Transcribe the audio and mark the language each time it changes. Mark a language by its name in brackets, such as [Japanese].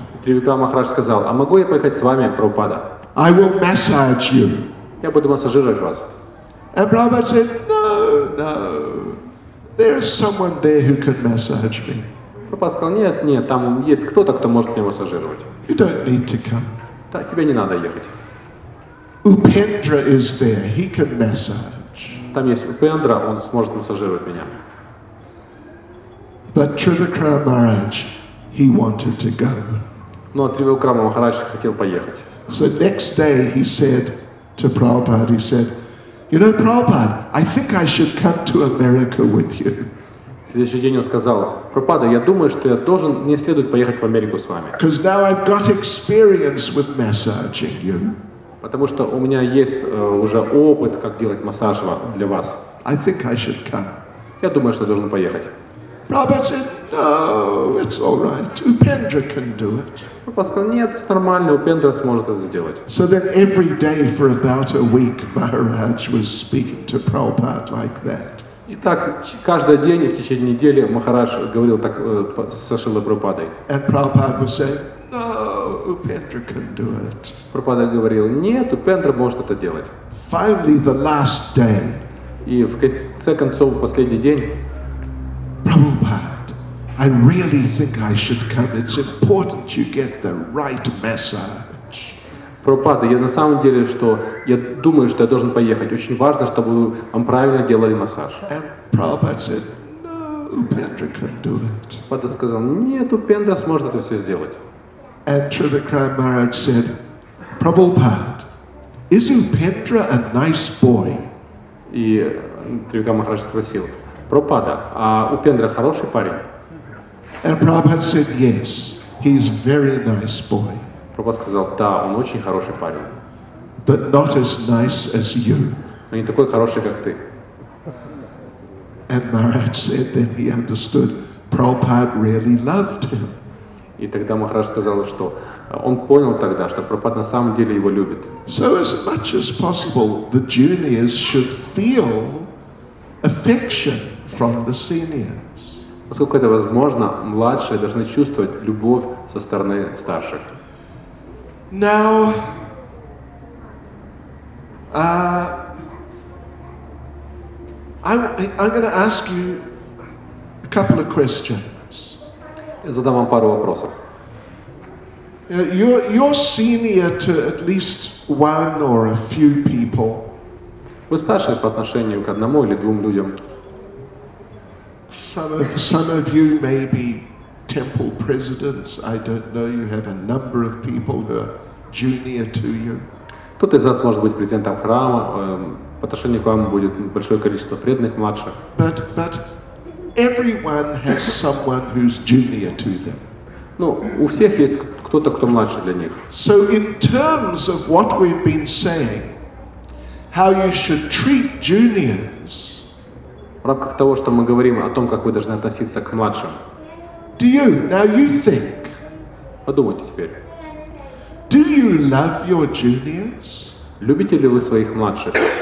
[Russian] Тривикрама Махарадж сказал: "А могу я поехать с вами, Прабхупада?" [English] "I will massage you." [Russian] Я буду массажировать вас. [English] And Prabhupada said, "No, there's someone there who can massage me." [Russian] Прабхупада сказал: "Нет, там есть кто-то, кто может меня массажировать." [English] "You don't need to come." [Russian] Так, тебе не надо ехать. [English] "Upendra is there. He can massage." [Russian] Там есть Упендра, он сможет массажировать меня. [English] But Trivikram Maharaj, he wanted to go. [Russian] Но Тривикрама Махарадж хотел поехать. [English] So next day he said to Prabhupada, he said, "You know, Prabhupada, I think I should come to America with you." [Russian] В следующий день он сказал: "Прабхупада, я думаю, что я должен, мне следует поехать в Америку с вами." [English] Because now I've got experience with massaging you. [Russian] Потому что у меня есть уже опыт, как делать массаж для вас. [English] I think I should come. [Russian] Я думаю, что я должен поехать. [English] Prabhupada said, "No, it's all right. Upendra can do it." [Russian] Прабхупада сказал: "Нет, нормально, Упендра сможет это сделать." [English] So then every day for about a week, Maharaj was speaking to Prabhupada like that. [Russian] Итак, каждый день в течение недели Махарадж говорил так со Шрилой Прабхупадой. [English] And Prabhupada was saying, "No, Upendra can do it." [Russian] Прабхупада говорил: "Нет, Упендра может это делать." [English] Finally, the last day. [Russian] И в конце концов, последний день. [English] "Prabhupada, I really think I should come. It's important you get the right massage." [Russian] Прабхупада, я на самом деле, что я думаю, что я должен поехать. Очень важно, чтобы вам правильно делали массаж. [English] And Prabhupada said, "No, Upendra can do it. [Russian] Папа сказал, нет, Упендра сможет это все сделать. [English] And Trivikram Maharaj said, Prabhupada, is Upendra a nice boy? [Russian] И Трикам Махарадж спросил, Прабхупада, а Упендра хороший парень? [English] And Prabhupada said, yes, he's a very nice boy. [Russian] Прабхупада сказал, да, он очень хороший парень. [English] But not as nice as you. [Russian] Но не такой хороший, как ты. [English] And Maharaj said that he understood Prabhupada really loved him. [Russian] И тогда Махарадж сказал, что он понял тогда, что Прабхупада на самом деле его любит. [English] So as much as possible, the juniors should feel affection from the seniors. [Russian] Поскольку это возможно, младшие должны чувствовать любовь со стороны старших. [English] Now, I'm going to ask you a couple of questions. [Russian] Я задам вам пару вопросов. [English] You're senior to at least one or a few people. [Russian] Вы старше по отношению к одному или двум людям. [English] Some of you may be temple presidents. I don't know. You have a number of people who are junior to you. [Russian] Кто-то из вас может быть президентом храма, по отношению к вам будет большое количество преданных младших. [English] But everyone has someone who's junior to them. [Russian] Ну, у всех есть кто-то, кто младше для них. [English] So in terms of what we've been saying, how you should treat juniors. [Russian] В рамках того, что мы говорим о том, как вы должны относиться к младшим. [English] Do you? Now you think. [Russian] Подумайте теперь. [English] Do you love your juniors? [Russian] Любите ли вы своих младших?